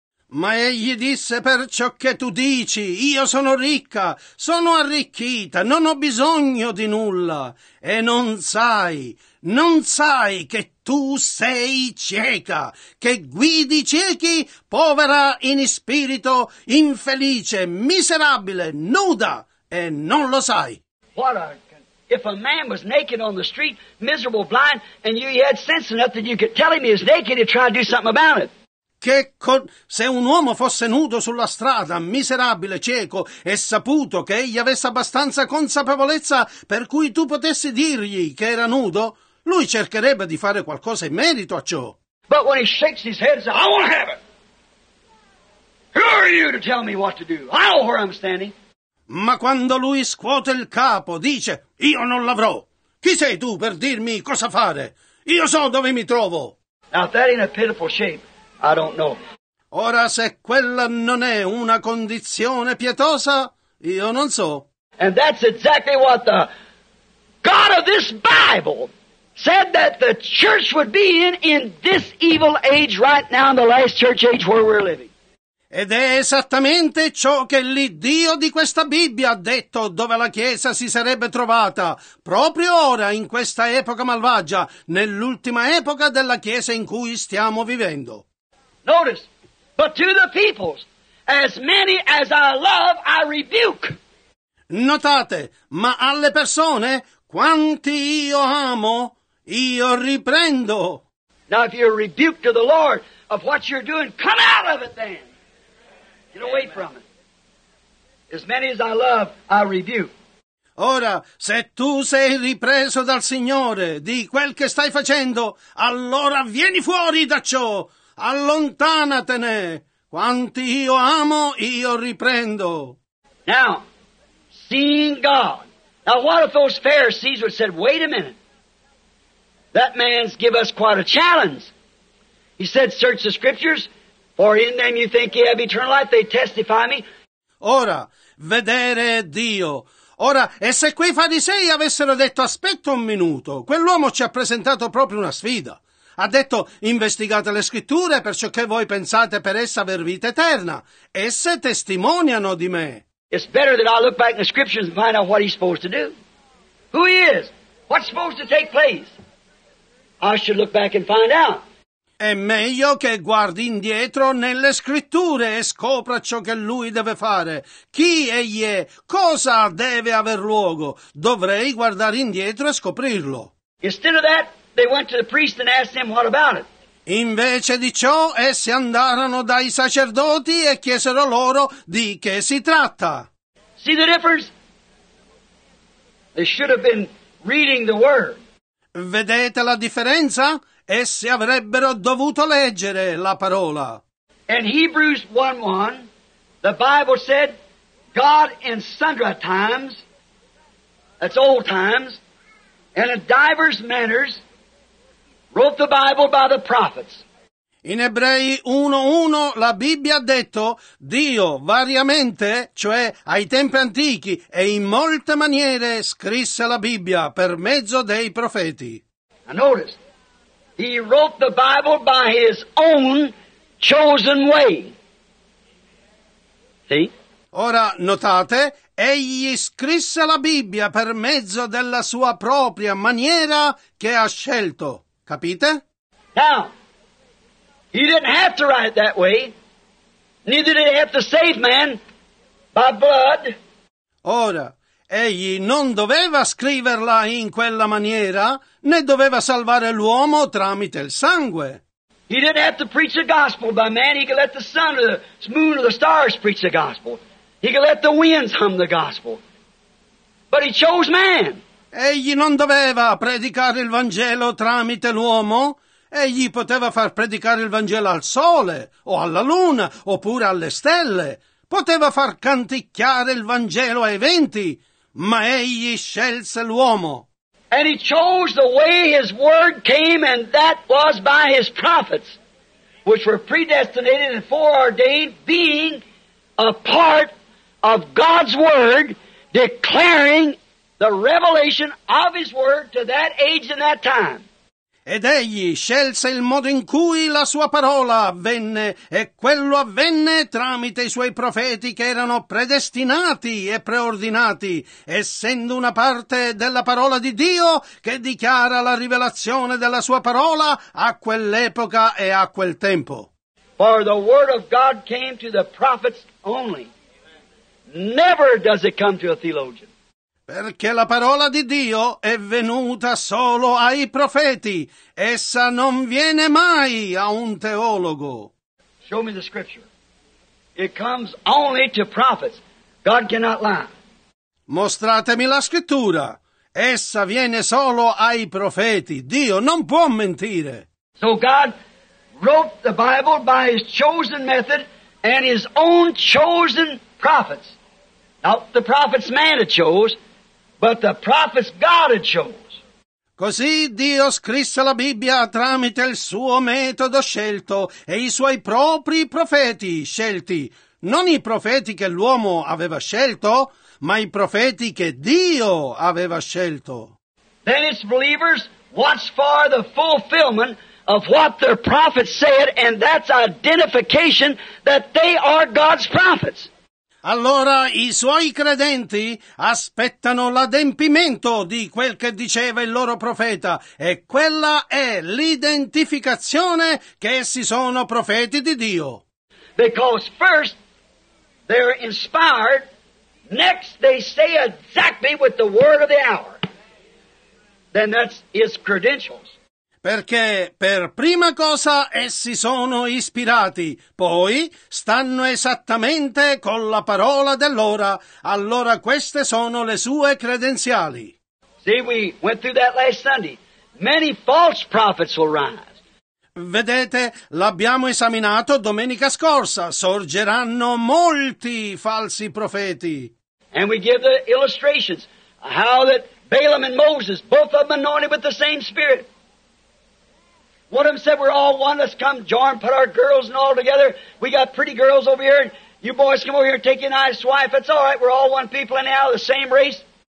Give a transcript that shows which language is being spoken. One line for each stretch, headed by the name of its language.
Italian: Ma egli disse: per ciò che tu dici, io sono ricca, sono arricchita, non ho bisogno di nulla. E non sai che tu sei cieca, che guidi ciechi, povera in spirito, infelice, miserabile, nuda, e non lo sai.
English: If a man was naked on the street, miserable, blind, and you had sense enough that you could tell him he was naked, he'd try to do something about it.
Italian: Se un uomo fosse nudo sulla strada, miserabile, cieco, e saputo che egli avesse abbastanza consapevolezza per cui tu potessi dirgli che era nudo, lui cercherebbe di fare qualcosa in merito a ciò.
English: But when he shakes his head and says, I want to have it. Who are you to tell me what to do? I know where I'm standing.
Italian: Ma quando lui scuote il capo, dice, io non l'avrò. Chi sei tu per dirmi cosa fare? Io so dove mi trovo.
English: Now, if that ain't a pitiful shape, I don't know.
Italian: Ora, se quella non è una condizione pietosa, io non so.
English: And that's exactly what the God of this Bible said that the church would be in this evil age right now, in the last church age where we're living.
Italian: Ed è esattamente ciò che l'Iddio di questa Bibbia ha detto dove la Chiesa si sarebbe trovata, proprio ora, in questa epoca malvagia, nell'ultima epoca della Chiesa in cui stiamo vivendo.
English: Notice, but to the peoples, as many as I love, I rebuke.
Italian: Notate, ma alle persone, quanti io amo, io riprendo.
English: Now if you're rebuked to the Lord of what you're doing, come out of it then. Away from it. As many as I love, I rebuke.
Italian: Ora, se tu sei ripreso dal Signore di quel che stai facendo, allora vieni fuori da ciò, allontanatene. Quanti io amo, io riprendo.
English: Now, seeing God. Now, what if those Pharisees would have said, wait a minute. That man's give us quite a challenge. He said, search the scriptures. For in them you think you have eternal life, they testify me.
Italian: Ora, vedere Dio. Ora, e se quei farisei avessero detto, aspetta un minuto, quell'uomo ci ha presentato proprio una sfida. Ha detto, investigate le scritture per ciò che voi pensate per essa aver vita eterna. Esse testimoniano di me.
English: It's better that I look back in the scriptures and find out what he's supposed to do. Who he is? What's supposed to take place? I should look back and find out.
Italian: È meglio che guardi indietro nelle scritture e scopra ciò che lui deve fare. Chi egli è? Cosa deve aver luogo? Dovrei guardare indietro e scoprirlo.
English: Instead of that, they went to the priest and asked him what about it.
Italian: Invece di ciò, essi andarono dai sacerdoti e chiesero loro di che si tratta.
English: See the difference? They should have been reading the word.
Italian: Vedete la differenza? Essi avrebbero dovuto leggere la parola.
English: In Hebrews 1:1, the Bible said, God in sundry times, that's old times, and in divers manners, wrote the Bible by the prophets.
Italian: In Ebrei 1:1 la Bibbia ha detto, Dio variamente, cioè ai tempi antichi, e in molte maniere scrisse la Bibbia per mezzo dei profeti.
English: I noticed. He wrote the Bible by his own chosen way. See?
Italian: Ora notate, egli scrisse la Bibbia per mezzo della sua propria maniera che ha scelto. Capite?
English: Now, he didn't have to write that way. Neither did he have to save man by blood.
Italian: Ora, egli non doveva scriverla in quella maniera, né doveva salvare l'uomo tramite il sangue.
English: He didn't have to preach the gospel by man. He could let the sun or the moon or the stars preach the gospel. He could let the winds hum the gospel. But he chose man.
Italian: Egli non doveva predicare il Vangelo tramite l'uomo. Egli poteva far predicare il Vangelo al sole, o alla luna, oppure alle stelle. Poteva far canticchiare il Vangelo ai venti, ma egli scelse l'uomo.
English: And he chose the way his word came, and that was by his prophets, which were predestinated and foreordained, being a part of God's word, declaring the revelation of his word to that age and that time.
Italian: Ed egli scelse il modo in cui la sua parola avvenne, e quello avvenne tramite i suoi profeti che erano predestinati e preordinati, essendo una parte della parola di Dio che dichiara la rivelazione della sua parola a quell'epoca e a quel tempo.
English: For the word of God came to the prophets only. Never does it come to a theologian.
Italian: Perché la parola di Dio è venuta solo ai profeti, essa non viene mai a un teologo.
English: Show me the scripture. It comes only to prophets. God cannot lie.
Italian: Mostratemi la scrittura. Essa viene solo ai profeti. Dio non può mentire.
English: So God wrote the Bible by his chosen method and his own chosen prophets. Now the prophets man had chose. But the prophets God had chose.
Italian: Così Dio scrisse la Bibbia tramite il suo metodo scelto e i suoi propri profeti scelti. Non i profeti che l'uomo aveva scelto, ma i profeti che Dio aveva scelto.
English: Then its believers watch for the fulfillment of what their prophets said, and that's identification that they are God's prophets.
Italian: Allora i suoi credenti aspettano l'adempimento di quel che diceva il loro profeta, e quella è l'identificazione che essi sono profeti di Dio.
English: Because first they're inspired, next they say exactly with the word of the hour. Then that's his credentials.
Italian: Perché per prima cosa essi sono ispirati, poi stanno esattamente con la parola dell'ora, allora queste sono le sue credenziali.
English: See, we went through that last Sunday. Many false prophets will rise.
Italian: Vedete, l'abbiamo esaminato domenica scorsa, sorgeranno molti falsi profeti.
English: And we give the illustrations how that Balaam and Moses, both of them anointed with the same spirit. One of them said, we're all one, let's come join, put our girls and all together. We got pretty girls over here, and you boys come over here and take your nice wife. It's all right, we're all one people anyhow, the same race.